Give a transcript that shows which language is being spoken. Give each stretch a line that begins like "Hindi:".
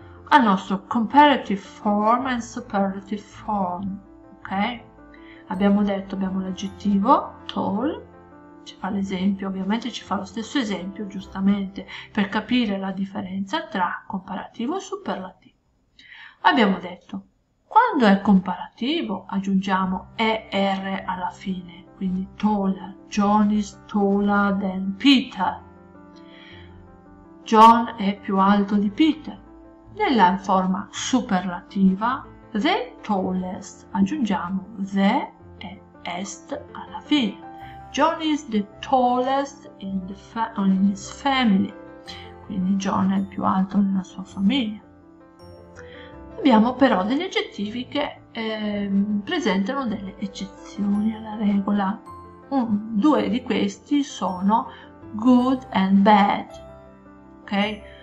English: Al nostro comparative form and superlative form, ok?
Italian: Abbiamo detto, abbiamo l'aggettivo tall, ci fa l'esempio, ovviamente ci fa lo stesso esempio, giustamente, per capire la differenza tra comparativo e superlativo. Abbiamo detto, quando è comparativo, aggiungiamo er alla fine, quindi taller,
English: John is taller than Peter.
Italian: John è più alto di Peter. Nella forma superlativa, the tallest, aggiungiamo the e est alla fine.
English: John is the tallest in, in his family.
Italian: Quindi John è più alto nella sua famiglia. Abbiamo però degli aggettivi che presentano delle eccezioni alla regola. Due di questi sono good and bad. Ok?